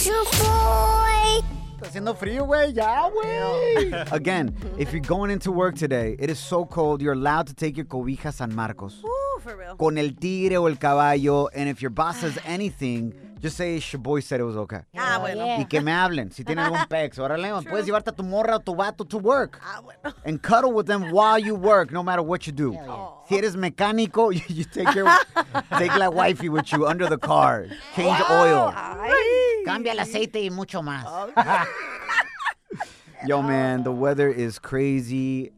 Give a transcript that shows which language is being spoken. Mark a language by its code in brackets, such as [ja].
[en] Your boy. [es] Haciendo frío, güey, ya, güey. [en] Again, if you're going into work today, it is so cold, you're allowed to take your cobija San Marcos. Ooh, for real. [es] Con el tigre o el caballo. [en] And if your boss says anything, just say, Shaboy said it was okay. [es] Ah, bueno. Yeah. Y que me hablen. Si tienen algún pex, órale, puedes llevarte a tu morra o tu vato [en] to work. [es] Ah, bueno. [en] And cuddle with them while you work, no matter what you do. Yeah. [es] Si eres mecánico, [en] you take care take la wifey with you under the car. Change oil. [es] Cambia el aceite y mucho más. [en] Yo, man, the weather is crazy.